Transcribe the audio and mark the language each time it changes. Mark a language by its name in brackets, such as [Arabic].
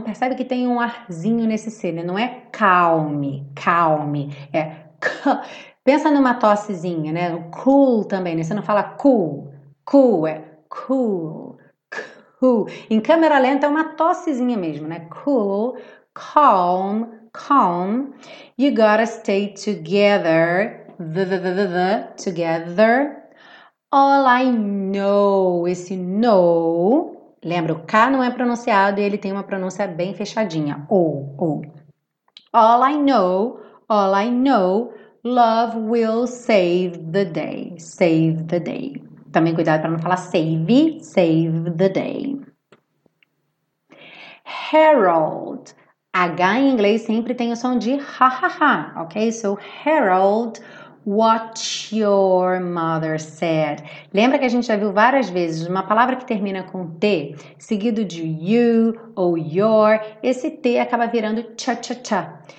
[Portuguese] Percebe que tem um arzinho nesse C, né? Não é calme. Calme. É pensa numa tossezinha, né? O cool também, né? Você não fala cool. Cool é cool. Cool. Em câmera lenta é uma tossezinha mesmo, né? [English] Cool, calm, calm. You gotta stay together. Together. All I know. [Portuguese] Esse no. Lembra, o K não é pronunciado e ele tem uma pronúncia bem fechadinha. [English] O. All I know. All I know. Love will save the day. Save the day. [Portuguese] Também cuidado para não falar save, [English] save the day. [Portuguese] Harold. H em inglês sempre tem o som de ha-ha-ha, ok? [English] So, Harold, what your mother said. [Portuguese] Lembra que a gente já viu várias vezes uma palavra que termina com T, seguido de you ou your, esse T acaba virando cha-cha-cha.